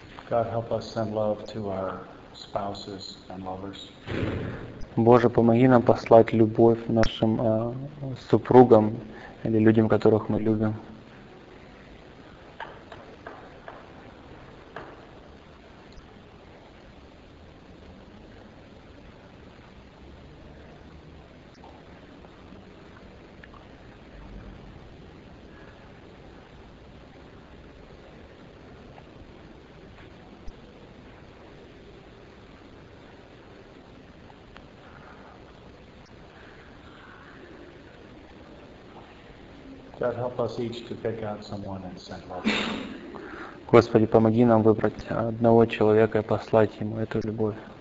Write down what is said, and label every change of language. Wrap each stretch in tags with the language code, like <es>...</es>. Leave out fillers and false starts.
<en>God, help us send love to our spouses and lovers.</en> <ru>Боже, помоги нам послать любовь нашим супругам или людям, которых мы любим.</ru> <en>God, help us each to pick out someone and send love.</en> <ru>Господи, помоги нам выбрать одного человека и послать ему эту любовь.</ru>